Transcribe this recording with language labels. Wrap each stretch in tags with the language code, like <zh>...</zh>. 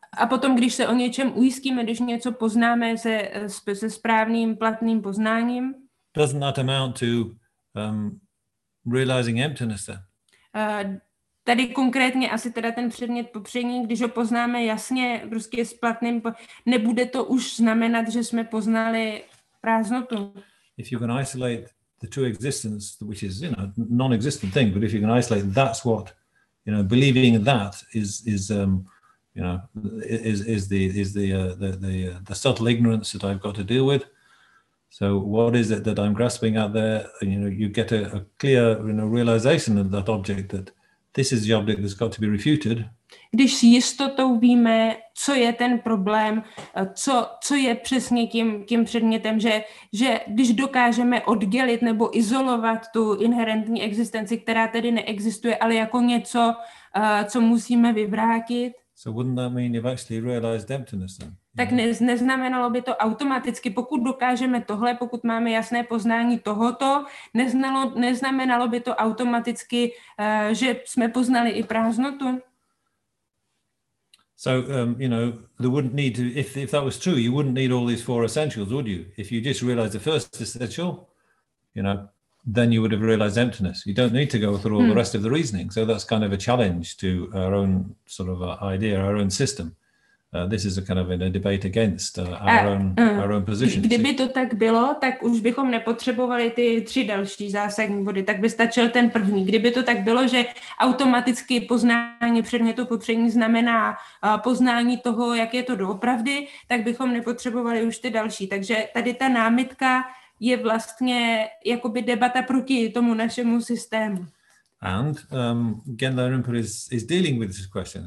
<cs>A potom, když se o něčem ujistíme, když něco poznáme se správným platným poznáním,</cs> <en>doesn't that amount to realizing emptiness then?</en> <cs>Tady konkrétně asi teda ten předmět popření, když ho poznáme jasně, prostě s platným, nebude to už znamenat, že jsme poznali prázdnotu.</cs> <en>If you can isolate the true existence, which is, you know, non-existent thing, but if you can isolate, that's what, you know, believing that is you know, is the subtle ignorance that I've got to deal with. So what is it that I'm grasping out there? You know, you get a clear, you know, realization of that object, that this is the object that's got to be refuted.</en> <cs>Když s jistotou víme, co je ten problém, co je přesně tím předmětem, že když dokážeme oddělit nebo izolovat tu inherentní existenci, která tedy neexistuje, ale jako něco, co musíme vyvrátit.</cs> <en>So wouldn't that mean you've actually realized emptiness then?</en> <cs>Tak neznamenalo by to automaticky, pokud dokážeme tohle, pokud máme jasné poznání tohoto, neznamenalo by to automaticky, že jsme poznali i prázdnotu.</cs> <en>So you know, there wouldn't need to, if that was true, you wouldn't need all these four essentials, would you? If you just realized the first essential, you know, then you would have realized emptiness. You don't need to go through all the rest of the reasoning. So that's kind of a challenge to our own sort of idea, our own system. This is a kind of a debate against our own position.</en> <cs>Kdyby to tak bylo, tak už bychom nepotřebovali ty tři další zásadní body, tak by stačil ten první. Kdyby to tak bylo, že automaticky poznání předmětu popření znamená poznání toho, jak je to doopravdy, tak bychom nepotřebovali už ty další. Takže tady ta námitka je vlastně jakoby debata proti tomu našemu systému.</cs> <en>And Genlam Rinpoche is dealing with this question.</en>